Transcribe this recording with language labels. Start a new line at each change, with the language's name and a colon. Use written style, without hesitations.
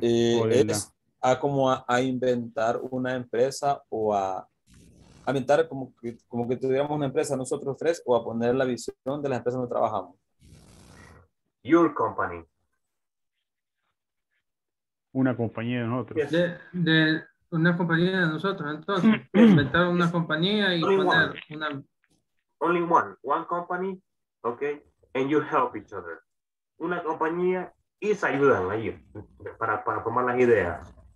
Spanish: es a como a inventar una empresa o a inventar como que tuviéramos una empresa nosotros tres o a poner la visión de la empresa donde trabajamos
English: your company
Spanish: una compañía de nosotros
English: yes.
Spanish: De una compañía de nosotros entonces inventar una compañía y poner una.
English: Only one company, okay, and you help each other.
Spanish: Una compañía y se ayudan ahí para tomar las ideas.